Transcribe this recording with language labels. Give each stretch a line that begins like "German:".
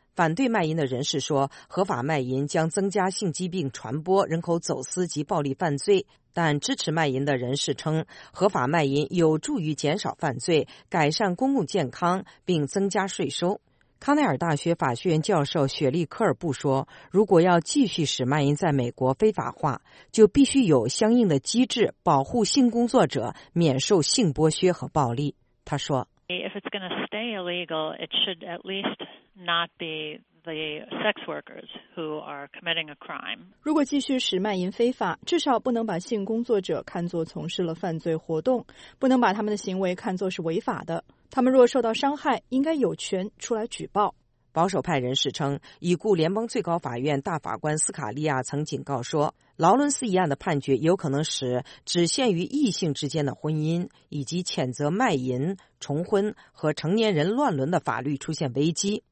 Chinese: 反对卖淫的人士说，合法卖淫将增加性疾病传播、人口走私及暴力犯罪，但支持卖淫的人士称，合法卖淫有助于减少犯罪、改善公共健康并增加税收。康奈尔大学法学院教授雪莉·科尔布说，如果要继续使卖淫在美国非法化，就必须有相应的机制保护性工作者免受性剥削和暴力。他说，
English: If it's going to stay illegal, it should at least not be the sex workers who are committing a crime.
Chinese: 如果继续使蔓延非法，至少不能把性工作者看作从事了犯罪活动，不能把他们的行为看作是违法的。他们若受到伤害，应该有权出来举报。保守派人士称，已故联邦最高法院大法官斯卡利亚曾警告说，劳伦斯一案的判决有可能使只限于异性之间的婚姻，以及谴责卖淫、重婚和成年人乱伦的法律出现危机。